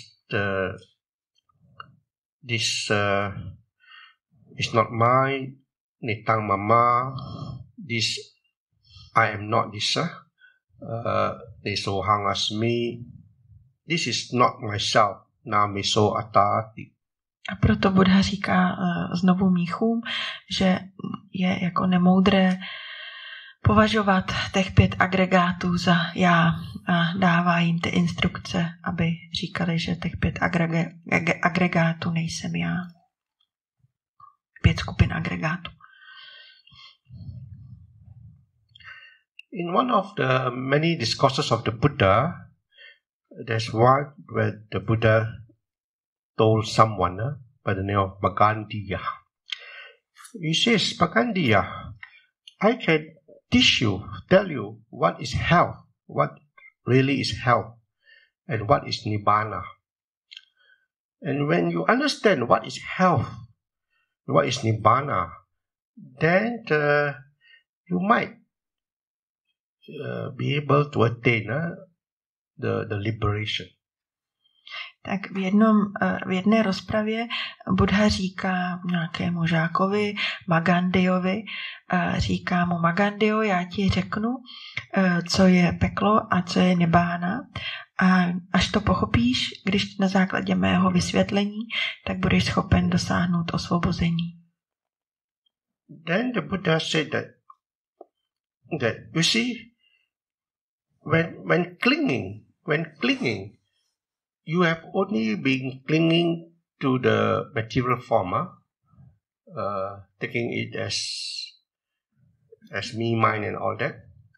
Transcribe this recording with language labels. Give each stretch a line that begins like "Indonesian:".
English: the this is not mine, nitang mama, this I am not this, nisohang as me, this is not myself, na miso atati.
Czech: A proto Buddha říká znovu míchům, že je jako nemoudré považovat těch pět agregátů za já a dává jim ty instrukce, aby říkali, že těch pět agregátů nejsem já. Pět skupin agregátů.
English: In one of the many discourses of the Buddha, there's one where the Buddha told someone by the name of Magandhya. He says, Magandhya, I can teach you, tell you what is hell, what really is hell, and what is nibbana. And when you understand what is hell, what is nibbana, then you might be able to attain the liberation.
Czech: Tak v jedné rozpravě Buddha říká nějakému žákovi, Magandhyovi, říká mu, Magandhyo, já ti řeknu, co je peklo a co je nibbána. A až to pochopíš, když na základě mého vysvětlení, tak budeš schopen dosáhnout osvobození.
English: Then the Buddha said that you see, when clinging, you have only been clinging to the material form, taking it as me, mine, and all that.